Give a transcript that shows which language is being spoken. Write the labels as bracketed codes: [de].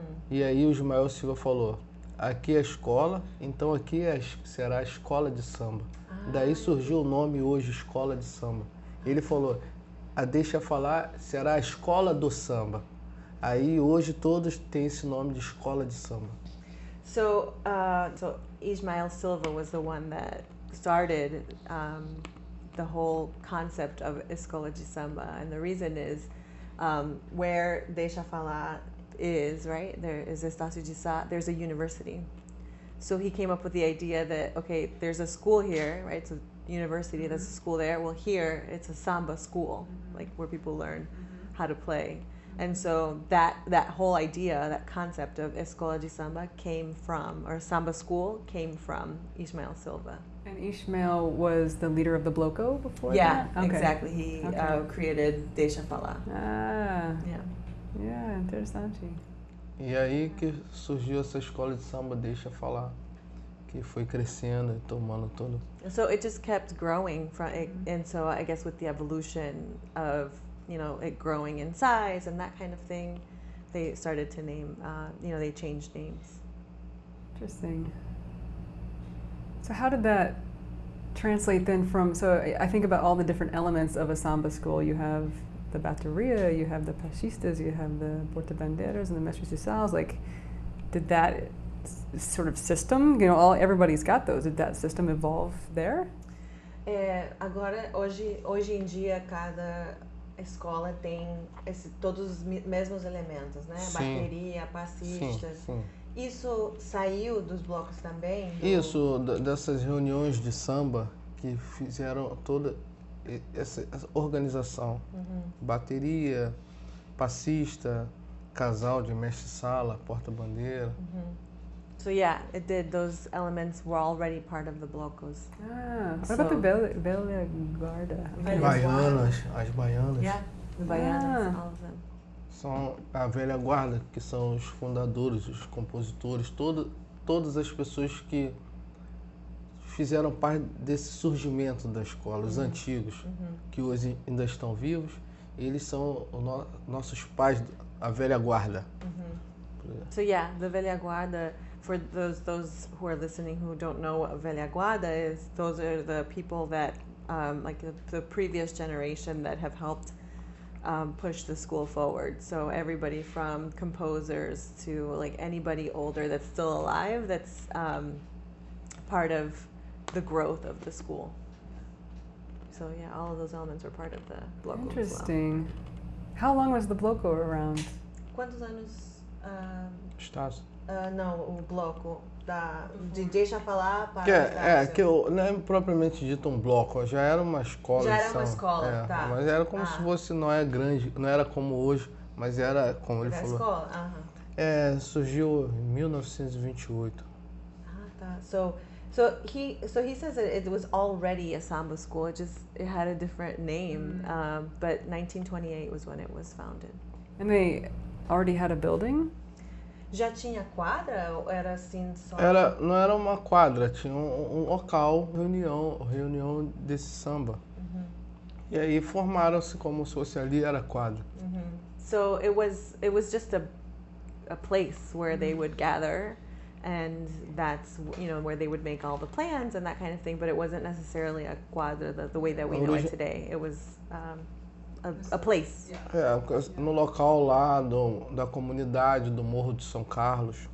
[pt] E aí o Ismael Silva falou, aqui é a escola, então aqui será a escola de samba. Ah, daí surgiu o nome hoje, escola de samba. Ele falou, a Deixa Falar será a escola do samba. Aí hoje todos têm esse nome de escola de samba. [en] So Ismael Silva was the one that started the whole concept of escola de samba. And the reason is, where Deixa Falar is, right, there is Estácio de Sá, there's a university. So he came up with the idea that, okay, there's a school here, right, it's a university, mm-hmm. there's a school there. Well, here, it's a samba school, mm-hmm. like where people learn mm-hmm. how to play. Mm-hmm. And so that whole idea, that concept of Escola de Samba came from, or samba school came from Ismael Silva. And Ismael was the leader of the bloco before yeah, that? Yeah, okay. Exactly. He okay. Created Deixa Falar. Ah. Yeah. [pt] Yeah, interessante. E aí que surgiu essa escola de samba Deixa Falar, que foi crescendo e tomando todo. [en] So it just kept growing from it, and so I guess with the evolution of, you know, it growing in size and that kind of thing, they started to name, you know, they changed names. Interesting. So how did that translate then from, so I think about all the different elements of a samba school. You have the bateria, you have the pasistas, you have the portabandeiras and the mestres de salles. Like, did that sort of system, you know, everybody's got those. Did that system evolve there? [pt] É, agora, hoje em dia, cada escola tem todos os mesmos elementos, né? Sim. Bateria, pasistas. Sim, sim. Isso saiu dos blocos também? Isso, dessas reuniões de samba que fizeram toda essa organização. Uhum. Bateria, passista, casal de mestre-sala, porta-bandeira. Uhum. [en] So, yeah, it did. Those elements were already part of the blocos. Ah, so, what about the Bela Guarda? [pt] Baianas, as baianas. [en] Yeah, the baianas, all of them. [pt] São a velha guarda, que são os fundadores, os compositores, todas as pessoas que fizeram parte desse surgimento da escola, os antigos, que hoje ainda estão vivos, eles são nossos pais, a velha guarda. [en] So yeah, the velha guarda, for those who are listening who don't know what a velha guarda is, those are the people that, like the previous generation that have helped push the school forward. So everybody from composers to like anybody older that's still alive, that's part of the growth of the school. So yeah, all of those elements were part of the bloco. Interesting. As well. How long was the bloco around? [pt] Quantos anos? Estás? Não, o bloco da de deixa falar para. Que é, é que eu não é propriamente dito um bloco, já era uma escola. Já era uma escola, é, tá? Mas era como se fosse não é grande, não era como hoje, mas era como ele da falou. Escola, [en] uh-huh. [pt] É, surgiu em 1928. Ah, tá. [en] So he says that it was already a samba school, it had a different name, but 1928 was when it was founded. And they already had a building? [pt] Já tinha quadra ou era assim só? Era, não era uma quadra, tinha um local, reunião desse samba. [en] Uh-huh. [pt] E aí formaram-se como se fosse ali, era quadra. Uh-huh. [en] So it was just a place where uh-huh. they would gather. And that's, you know, where they would make all the plans and that kind of thing. But it wasn't necessarily a quadra the way that we know it today. It was a place. Yeah. Yeah. [pt] No local lá da comunidade do Morro de São Carlos.